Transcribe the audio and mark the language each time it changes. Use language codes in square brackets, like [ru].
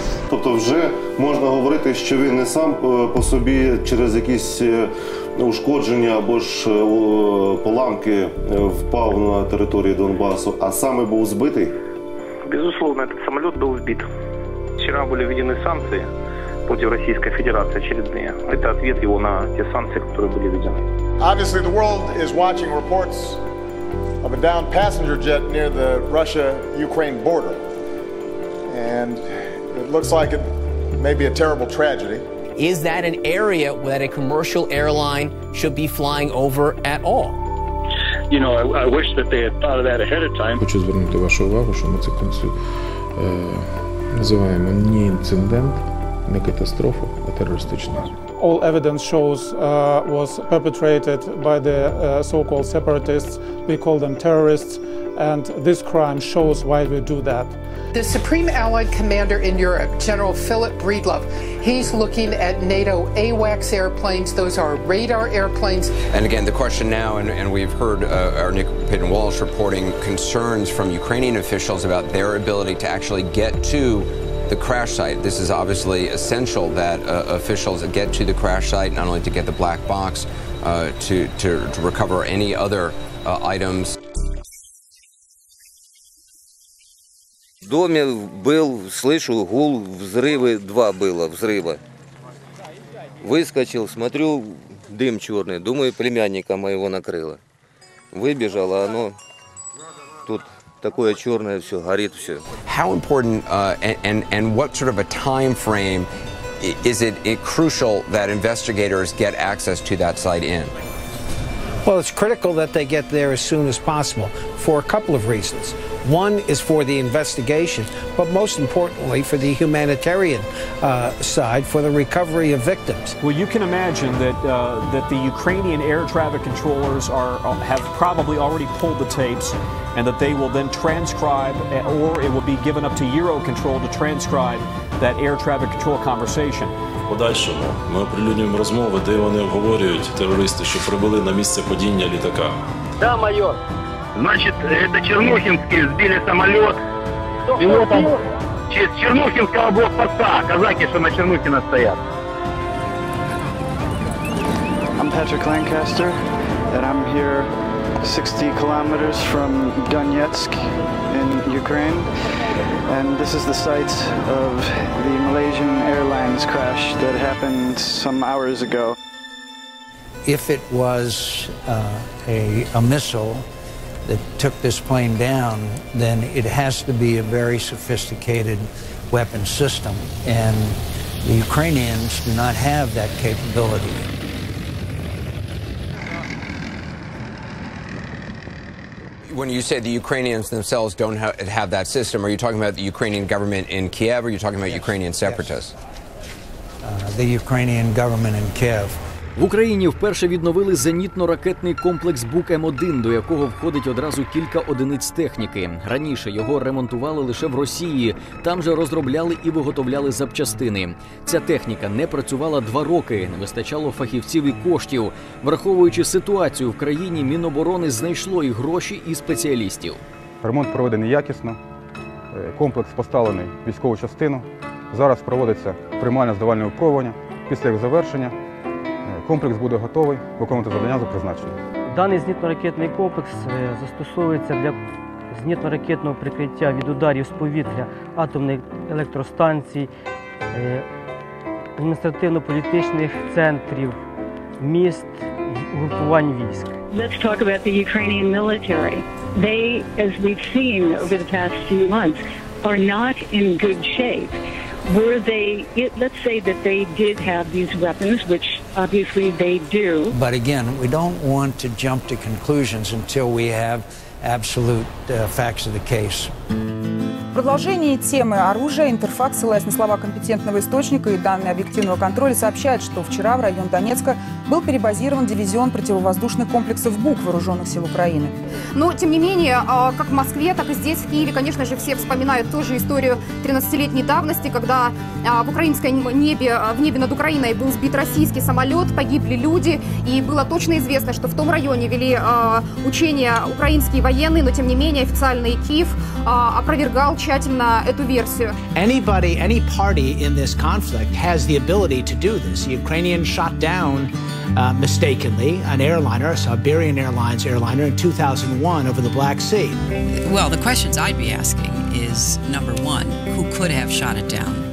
[uk] Тобто вже можна говорити, що він не сам по собі через якісь ушкодження або ж поламки впав на територію Донбасу, а саме був збитий? Безусловно, цей самоліт був збит. Вчора були введені санкції проти Російської Федерації очередні. Це відповідь його на ті санкції, які були введені. [en] Obviously, the world is watching reports of a downed passenger jet near the Russia-Ukraine border. And it looks like it may be a terrible tragedy. Is that an area that a commercial airline should be flying over at all? You know, I wish that they had thought of that ahead of time. [uk] Хочу звернути вашу увагу, що ми цю називаємо не інцидент, не катастрофу, а терористичну. [en] All evidence shows was perpetrated by the so-called separatists. We call them terrorists. And this crime shows why we do that. The Supreme Allied Commander in Europe, General Philip Breedlove, he's looking at NATO AWACS airplanes. Those are radar airplanes. And again, the question now, and we've heard our Nick Pitton-Walsh reporting concerns from Ukrainian officials about their ability to actually get to the crash site. This is obviously essential that officials get to the crash site, not only to get the black box, to recover any other items. [uk] В домі бив, слышу гул, взриви, два було взрива. Вискочив, смотрю, дим чорний, думаю, племянника моєго накрило. Вибіжало, оно тут таке чорне, все горить, все. [en] How important and what sort of a time frame is it crucial that investigators get access to that site in? Well, it's critical that they get there as soon as possible for a couple of reasons. One is for the investigation, but most importantly for the humanitarian side, for the recovery of victims. Well, you can imagine that that the Ukrainian air traffic controllers have probably already pulled the tapes, and that they will then transcribe, or it will be given up to Eurocontrol to transcribe that air traffic control conversation. [uk] По-дальшому ми оприлюднюємо розмови, де вони обговорюють, терористи, що прибули на місце падіння літака. [ru] Да, майор. [uk] Значить, це Чернухинський збили самоліт. Його там через Чернухинського блокпоста. Казаки, що на Чернухина стоять. [en] I'm Patrick Lancaster, and I'm here 60 kilometers from Donetsk in Ukraine. And this is the site of the Malaysian Airlines crash that happened some hours ago. If it was a missile that took this plane down, then it has to be a very sophisticated weapon system. And the Ukrainians do not have that capability. When you say the Ukrainians themselves don't have that system, are you talking about the Ukrainian government in Kiev, or are you talking about Ukrainian separatists? The Ukrainian government in Kiev. [uk] В Україні вперше відновили зенітно-ракетний комплекс «Бук-М1», до якого входить одразу кілька одиниць техніки. Раніше його ремонтували лише в Росії. Там же розробляли і виготовляли запчастини. Ця техніка не працювала 2 роки. Не вистачало фахівців і коштів. Враховуючи ситуацію в країні, Міноборони знайшло і гроші, і спеціалістів. Ремонт проведений якісно. Комплекс поставлений в військову частину. Зараз проводиться приймання здавального випробування. Після їх завершення комплекс буде готовий виконувати завдання за призначенням. Даний знітно-ракетний комплекс застосовується для знітно-ракетного прикриття від ударів з повітря атомних електростанцій, адміністративно-політичних центрів, міст, групувань військ. [en] Let's talk about the Ukrainian military. They, as we've seen over the past few months, are not in good shape. Were they, let's say that they did have these weapons, which obviously they do. But again, we don't want to jump to conclusions until we have absolute facts of the case. [ru] Продолжение темы оружия. Интерфакс, ссылаясь на слова компетентного источника и данные объективного контроля, сообщает, что вчера в район Донецка был перебазирован дивизион противовоздушных комплексов БУК Вооруженных сил Украины. Но, тем не менее, как в Москве, так и здесь, в Киеве, конечно же, все вспоминают ту же историю 13-летней давности, когда в украинском небе, в небе над Украиной был сбит российский самолет, погибли люди, и было точно известно, что в том районе вели учения украинские военные, но, тем не менее, официальный Киев опровергал тщательно эту версию. [en] Anybody, any party in this conflict has the ability to do this. The Ukrainians shot down mistakenly an airliner, a Siberian Airlines airliner, in 2001 over the Black Sea. Well, the questions I'd be asking is, number one, who could have shot it down?